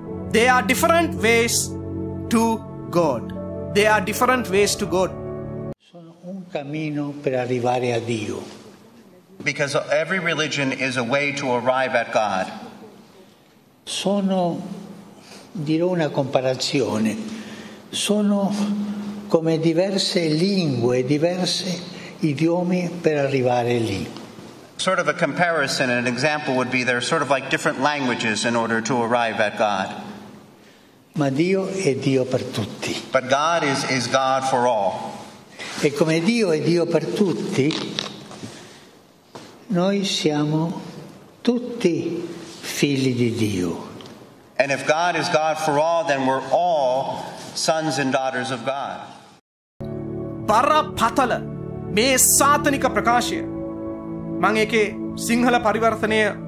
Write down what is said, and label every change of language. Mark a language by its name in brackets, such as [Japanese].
[English] They are different ways to God. They are different ways to God. [Italian] Sono un cammino per arrivare a Dio." [English] "Because every religion is a way to arrive at God." [Italian] "Sono, dirò una comparazione. Sono come diverse lingue, diverse idiomi per arrivare lì." [English] "Sort of a comparison, an example would be they're sort of like different languages in order to arrive at God." [Italian] "Ma Dio è Dio per tutti." [English] "But God is God for all." [Italian] "E come Dio è Dio per tutti, noi siamo tutti figli di Dio." [English] "And if God is God for all, then we're all sons and daughters of God." [Sinhala] බරපතල මේ සාතනික ප්‍රකාශය, මම ඒකේ සිංහල පරිවර්තනය